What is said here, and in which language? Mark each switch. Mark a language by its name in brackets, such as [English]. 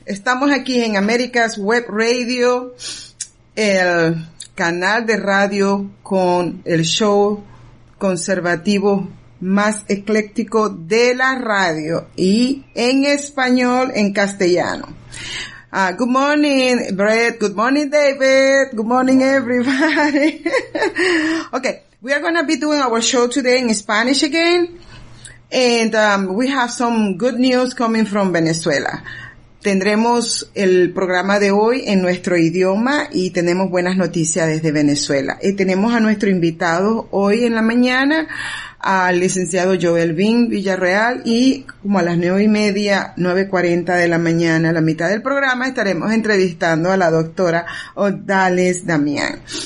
[Spanish] Estamos aquí en America's Web Radio, el canal de radio con el show conservativo más ecléctico de la radio y en español, en castellano. [English] Good morning, Brett. Good morning, David. Good morning, everybody. Okay, we are going to be doing our show today in Spanish again. And we have some good news coming from Venezuela. [Spanish] Tendremos el programa de hoy en nuestro idioma y tenemos buenas noticias desde Venezuela. Y tenemos a nuestro invitado hoy en la mañana, al licenciado Joel Vin Villarreal, y como a las 9:30, 9:40 de la mañana, a la mitad del programa, estaremos entrevistando a la doctora Odales Damián.